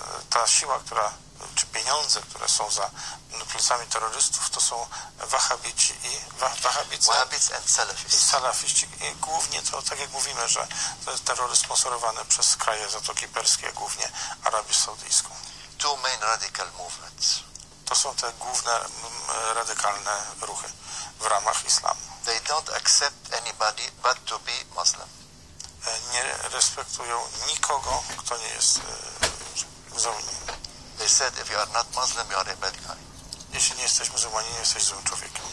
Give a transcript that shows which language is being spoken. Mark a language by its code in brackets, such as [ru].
[pl] Ta siła, która, czy pieniądze, które są za plecami terrorystów, to są Wahhabici i Wahhabicy. [en] Wahhabici and Salafists. [pl] I Salafiści. I głównie to, tak jak mówimy, że to jest terroryzm sponsorowany przez kraje Zatoki Perskiej, głównie Arabię Saudyjską. [en] Two main radical movements. [pl] To są te główne radykalne ruchy w ramach islamu. [en] They don't accept anybody but to be Muslim. [pl] Nie respektują nikogo, kto nie jest muzułmaninem. [en] They said if you are not Muslim, you are a bad guy. [pl] Jeśli nie jesteś muzułmaninem, jesteś złym człowiekiem.